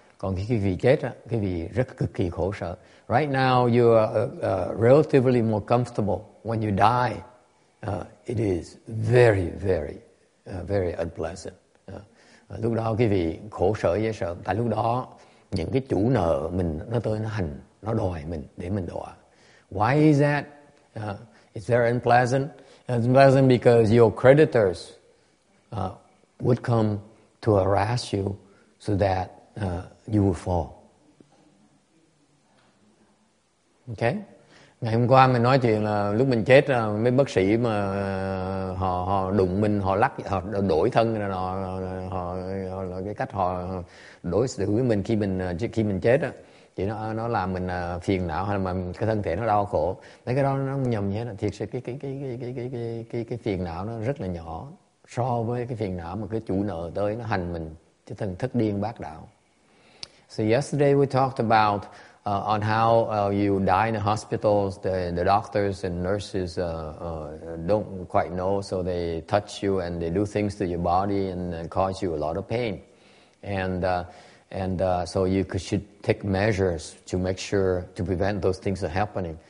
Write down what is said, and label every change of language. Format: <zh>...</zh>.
<vi>Còn khi quý vị chết á, quý vị rất cực kỳ khổ sở.</vi> <en>Right now you are relatively more comfortable. When you die, it is very very very unpleasant.</en> <vi>Lúc đó quý vị khổ sở dễ sợ, tại lúc đó những cái chủ nợ mình nó tới nó hành, nó đòi mình để mình đọa.</vi> <en>Why is that? It's very unpleasant. It's unpleasant because your creditors would come to harass you so that you will fall. Okay?</en> <vi>Ngày hôm qua mình nói chuyện là lúc mình chết là mấy bác sĩ mà họ đụng mình, họ lắc, họ đổi thân, họ cái cách họ đối xử với mình khi mình chết á, chỉ nó làm mình phiền não hay là mà cái thân thể nó đau khổ. Mấy cái đó nó nhầm như thế là thiệt sự cái phiền não nó rất là nhỏ so với cái phiền não mà cái chủ nợ tới nó hành mình cái thân thất điên bác đạo.</vi> <en>So yesterday we talked about on how you die in the hospitals, the doctors and nurses don't quite know, so they touch you and they do things to your body and cause you a lot of pain, and so you should take measures to make sure to prevent those things from happening.</en>